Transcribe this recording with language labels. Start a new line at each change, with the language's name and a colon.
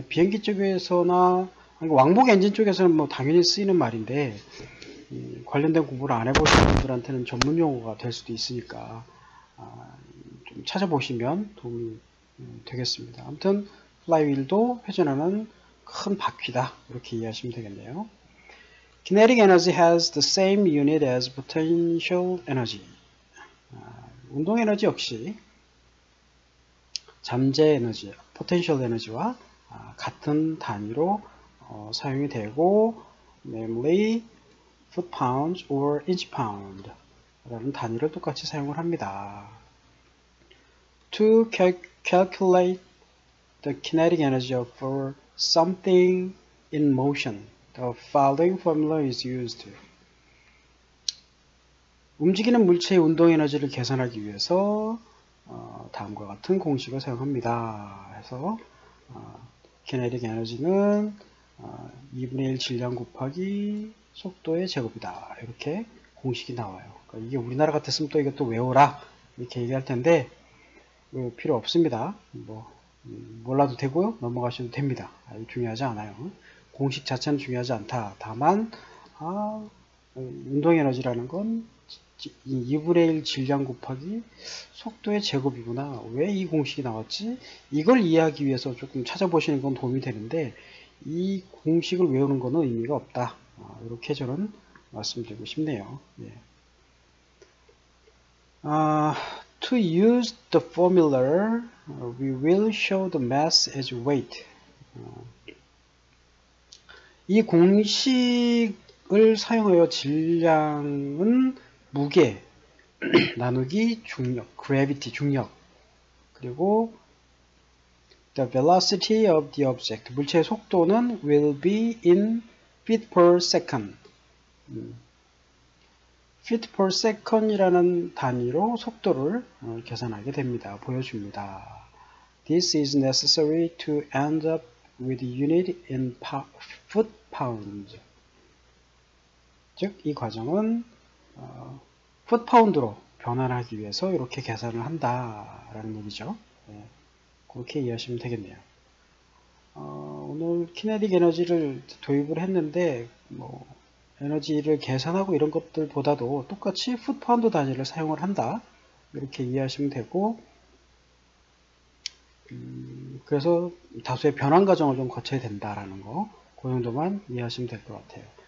Korean: 이게 비행기 쪽에서나 왕복 엔진 쪽에서는 뭐 당연히 쓰이는 말인데, 관련된 공부를 안 해보신 분들한테는 전문 용어가 될 수도 있으니까, 좀 찾아보시면 도움이 되겠습니다. 아무튼 플라이휠도 회전하는 큰 바퀴다. 이렇게 이해하시면 되겠네요.
English: Kinetic energy has the same unit as potential energy.
Korean: 운동 에너지 역시 잠재 에너지, potential energy와 같은 단위로 사용이 되고,
English: namely foot pounds or inch pound
Korean: 라는 단위를 똑같이 사용을 합니다.
English: To calculate the kinetic energy for something in motion, the following formula is used.
Korean: 움직이는 물체의 운동 에너지를 계산하기 위해서 다음과 같은 공식을 사용합니다. 해서 kinetic energy는 2분의 1 질량 곱하기 속도의 제곱이다. 이렇게 공식이 나와요. 그러니까 이게 우리나라 같았으면 또 이것도 외워라 이렇게 얘기할 텐데 필요 없습니다. 뭐 몰라도 되고요. 넘어가셔도 됩니다. 중요하지 않아요. 공식 자체는 중요하지 않다. 다만 운동 에너지라는 건 2분의 1 질량 곱하기 속도의 제곱이구나. 왜이 공식이 나왔지? 이걸 이해하기 위해서 조금 찾아보시는 건 도움이 되는데, 이 공식을 외우는 거는 의미가 없다. 이렇게 저는 말씀드리고 싶네요.
English: To use the formula, we will show the mass as weight.
Korean: 이 공식을 사용하여 질량은 무게 나누기 중력, gravity 중력, 그리고
English: the velocity of the object,
Korean: 물체의 속도는
English: will be in feet per second.
Korean: feet per second이라는 단위로 속도를 계산하게 됩니다. 보여줍니다.
English: This is necessary to end up with unit in foot pound.
Korean: 즉, 이 과정은 풋파운드로 변환하기 위해서 이렇게 계산을 한다라는 얘기죠. 네, 그렇게 이해하시면 되겠네요. 오늘 키네틱 에너지를 도입을 했는데, 뭐 에너지를 계산하고 이런 것들보다도 똑같이 풋파운드 단위를 사용을 한다 이렇게 이해하시면 되고, 그래서 다수의 변환 과정을 좀 거쳐야 된다라는 거, 그 정도만 이해하시면 될것 같아요.